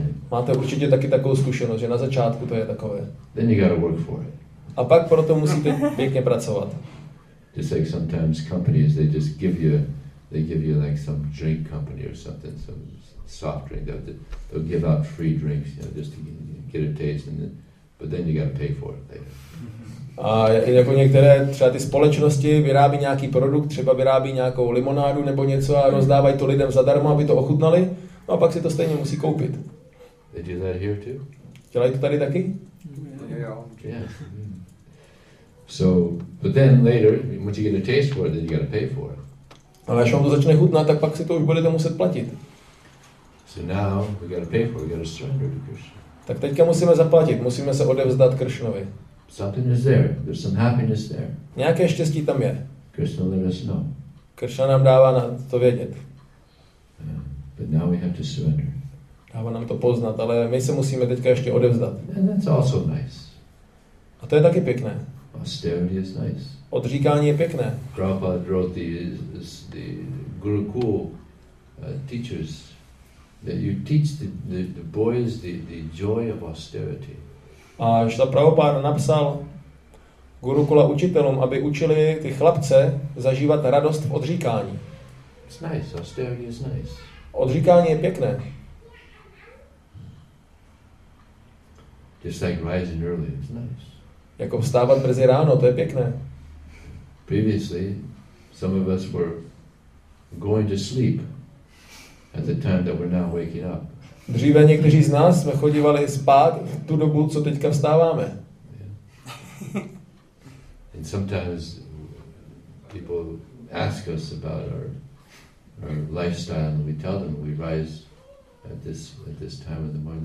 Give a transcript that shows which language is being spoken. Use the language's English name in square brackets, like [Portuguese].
[Czech] Máte určitě taky takovou zkušenost, že na začátku to je takové. [English] Then you gotta work for it. [Czech] A pak proto musíte pěkně pracovat. [English] Just like sometimes companies, they just give you like some drink company or something, some soft drink. They'll give out free drinks, you know, just to get a taste, and then, but then you gotta pay for it later. [Czech] A jako některé třeba ty společnosti vyrábí nějaký produkt, třeba vyrábí nějakou limonádu nebo něco a rozdávají to lidem zadarmo, aby to ochutnali. No a pak si to stejně musí koupit. [English] They do that here too? [Czech] Dělají to tady taky? [English] Yeah. So, but then later, once you get a taste for it, then you gotta pay for it. [Czech] Ale až vám to začne chutnat, tak pak si to už budete muset platit. [English] So now we gotta pay for it. We gotta surrender to Krishna. [Czech] Tak teďka musíme zaplatit. Musíme se odevzdat Krishnovi. [English] Something is there. There's some happiness there. [Czech] Nějaké štěstí tam je. [English] Krishna let us know. [Czech] Krishna nám dává na to vědět. [English] But now we have to surrender. [Czech] Dává nám to poznat, ale my se musíme teďka ještě odevzdat. [English] And that's also nice. [Czech] A to je taky pěkné. [English] Austerity is nice. [Czech] Odříkání je pěkné. [English] Prabhupada wrote the Gurukul teachers that you teach the boys the joy of austerity. [Czech] A Šta Prabhupada napsal Gurukula učitelům, aby učili ty chlapce zažívat radost v odříkání. [English] It's nice. Austerity is nice. [Czech] Odříkání je pěkné. [English] Just like rising early is nice. [Czech] Jako vstávat brzy ráno, to je pěkné. [English] Previously, some of us were going to sleep at the time that we're now waking up. [Czech] Dříve někteří z nás jsme chodívali spát v tu dobu, co teďka vstáváme. [English] Yeah. And sometimes people ask us about our lifestyle, and we tell them we rise at this time of the morning.